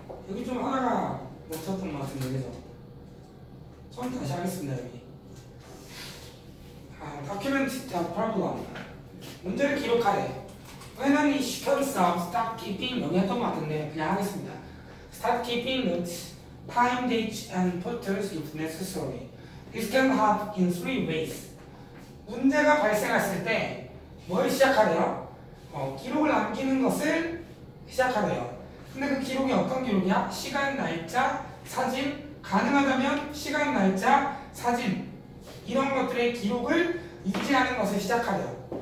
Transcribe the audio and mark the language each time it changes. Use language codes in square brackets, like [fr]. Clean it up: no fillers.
[ko] 여기 좀 하나가 놓쳤던 것 같은데, 그래서. 처음 다시 하겠습니다, 여기. 아, [en] document the problem. [ko] 문제를 기록하래. [en] When an issue comes up, stop keeping. [ko] 여기 했던 것 같은데, 그냥 하겠습니다. [en] Start keeping notes, time, dates, and photos if necessary. This can help in three ways. [ko] 문제가 발생했을 때 뭘 시작하래요? 기록을 남기는 것을 시작하래요. 근데 그 기록이 어떤 기록이야? 시간, 날짜, 사진, 가능하다면 시간, 날짜, 사진 이런 것들의 기록을 유지하는 것을 시작하래요.